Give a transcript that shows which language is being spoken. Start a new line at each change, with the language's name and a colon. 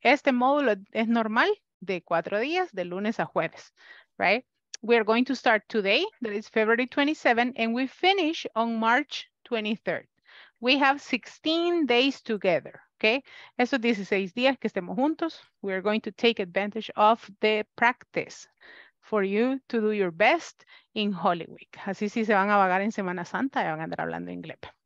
Spanish: Este módulo es normal de 4 días, de lunes a jueves,
English: right? We are going to start today, that is February 27, and we finish on March 23rd. We have 16 days together, okay?
Spanish: Eso 16 días que estemos juntos.
English: We are going to take advantage of the practice. for you to do your best in Holy Week.
Spanish: Así si se van a vagar en Semana Santa, ya van a andar hablando inglés.